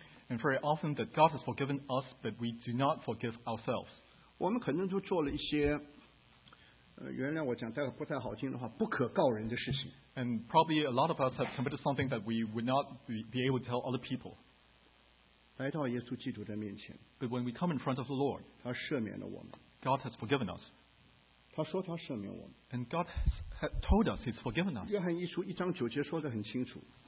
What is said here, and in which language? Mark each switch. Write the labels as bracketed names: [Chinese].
[English] and very often that God has forgiven us, but we do not forgive ourselves. [Chinese] 我们可能都做了一些, 原来我讲,待会不太好听的话,不可告人的事情。 [English] And probably a lot of us have committed something that we would not be able to tell other people. [Chinese] 来到耶稣基督的面前, [English] but when we come in front of the Lord, [Chinese] 他赦免了我们, [English] God has forgiven us. [Chinese] 他说他赦免我们, [English] and God has told us He's forgiven us. [Chinese] 约翰一书一章九节说得很清楚,